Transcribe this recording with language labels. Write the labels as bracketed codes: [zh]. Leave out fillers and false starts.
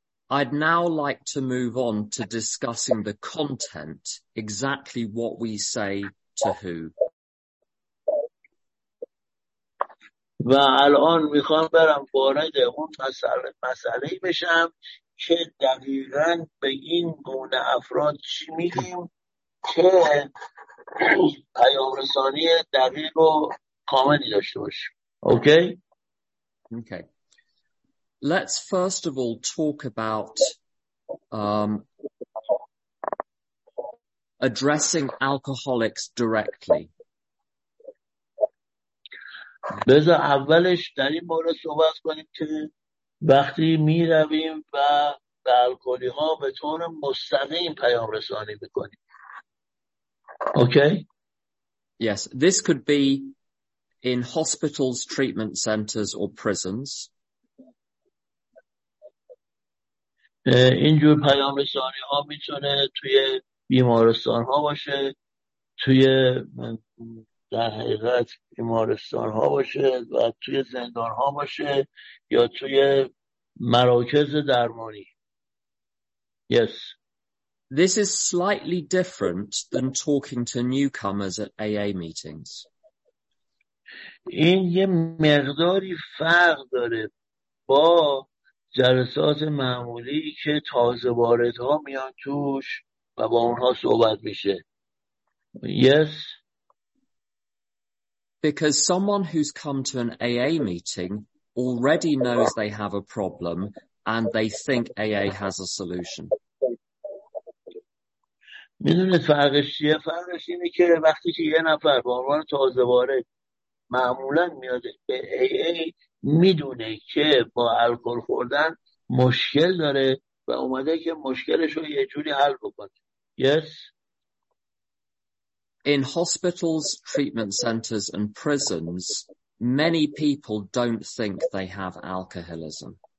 [en] I'd now like to move on to discussing the content, exactly what we say to who. [fa] و الان میخوام برم وارد اون مسئله بشم که دقیقاً به این گونه افراد چی میگیم که پیام رسانی دقیق و کاملی داشته باشیم. [en] Okay. Okay. Let's first of all talk about addressing alcoholics directly. [fa] بذار اولش در این باره صحبت کنیم که وقتی می رویم و به الکلی ها به طور مستقیم پیام رسانی بکنیم. [en] Okay? Yes, this could be in hospitals, treatment centers, or prisons. [fa] اینجور پیام رسانی ها می تونه توی بیمارستان ها باشه، توی در حقیقت بیمارستان ها باشه و توی زندان ها باشه یا توی مراکز درمانی. [en] Yes. This is slightly different than talking to newcomers at AA meetings. [fa] این یه مقداری فرق داره با جلسات معمولی که تازه واردها میان توش و با اونها صحبت میشه. [en] Yes. Because someone who's come to an AA meeting already knows they have a problem and they think AA has a solution. [fa] میدونید فرقش چیه؟ فرقش اینه که وقتی که یه نفر به عنوان تازه وارد معمولا میاد به AA میدونه که با الکل خوردن مشکل داره و اومده که مشکلش رو یه جوری حل بکنه. [en] Yes. In hospitals, treatment centers, and prisons, many people don't think they have alcoholism.